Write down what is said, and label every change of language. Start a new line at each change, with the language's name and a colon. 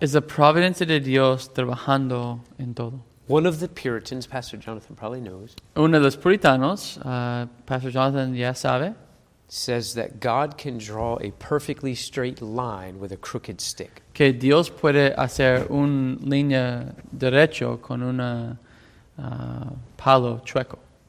Spanish: Es la providencia de Dios trabajando en todo.
English: One of the Puritans, Pastor Jonathan probably knows.
Spanish: Uno de los puritanos, Pastor Jonathan ya sabe.
English: Says that God can draw a perfectly straight line with a crooked stick.
Spanish: Que Dios puede hacer una línea derecha con una Paolo Treco.